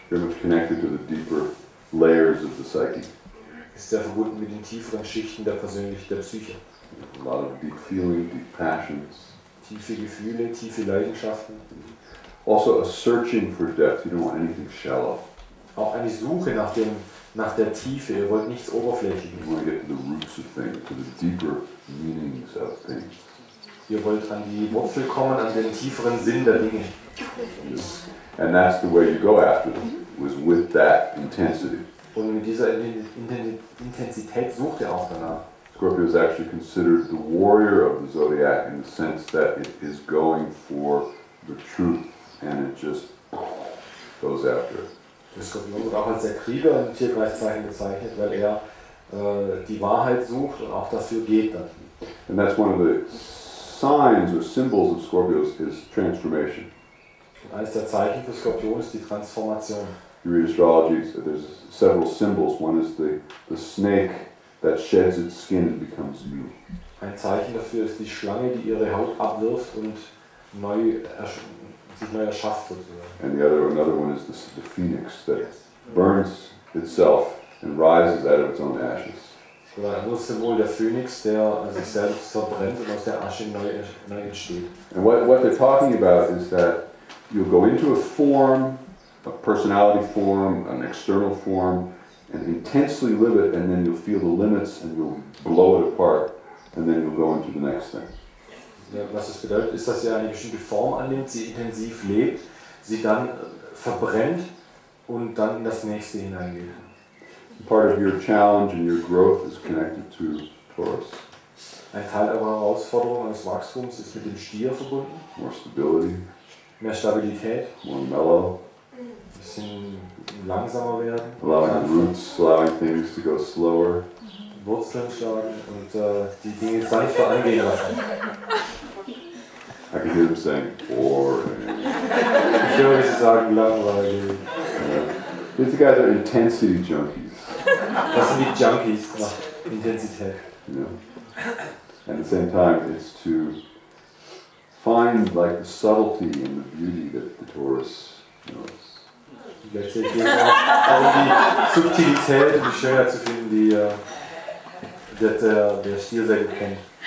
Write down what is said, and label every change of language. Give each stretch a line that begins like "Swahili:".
English: Very much connected to the deeper layers of the psyche.
German: Ist sehr verbunden mit den tieferen Schichten der Persönlichkeit, der Psyche.
English: A lot of deep feeling, deep passions.
German: Tiefe Gefühle, tiefe Leidenschaften.
English: Also a searching for depth. You don't want anything shallow.
German: Auch eine Suche nach dem, nach der Tiefe. Ihr wollt nichts Oberflächliches.
English: You want to get to the roots of things, to the deeper meanings of things.
German: Ihr wollt an die Wurzel kommen, an den tieferen Sinn der Dinge.
English: And that's the way you go after them, was with that intensity.
German: Und mit dieser Intensität sucht auch danach.
English: Scorpio is actually considered the warrior of the zodiac in the sense that it is going for the truth and it just goes after it.
German: Der Skorpion wird auch als der Krieger im Tierkreiszeichen bezeichnet, weil er die Wahrheit sucht und auch dafür geht dann.
English: And that's one of the signs or symbols of Scorpio is transformation.
German: Und eines der Zeichen für Skorpion ist die Transformation.
English: You read astrology, there's several symbols. One is the snake that sheds its skin and becomes new.
German: Ein Zeichen dafür ist die Schlange, die ihre Haut abwirft und neu sich neu erschafft sozusagen.
English: And another one is the phoenix that burns itself and rises out of its own ashes.
German: Oder ein anderes Symbol, der Phönix, der sich selbst verbrennt und aus der Asche neu entsteht.
English: And what they're talking about is that you'll go into a form, a personality form, an external form, and intensely live it, and then you'll feel the limits, and you'll blow it apart, and then you'll go into the next thing.
German: Ja, was das bedeutet, ist, dass ihr eine bestimmte Form annimmt, sie intensiv lebt, sie dann verbrennt und dann in das nächste hineingeht.
English: Part of your challenge and your growth is connected to Taurus.
German: Ein Teil eurer Herausforderung eures Wachstums ist mit dem Stier verbunden.
English: More stability.
German: Mehr Stabilität.
English: More mellow.
German: Bisschen langsamer werden.
English: Allowing roots, allowing things to go slower.
German: Wurzeln schlagen und die Dinge sanfter angehen lassen.
English: I can hear them saying boring.
German: Ich höre sie sagen langweilig.
English: These guys are intensity junkies.
German: Das sind die Junkies nach Intensität.
English: Yeah. At the same time, it's to find like the subtlety and the beauty that the Taurus knows.
German: Letztendlich auch die Subtilität und die Schönheit zu finden, die der Stier sehr gut kennt.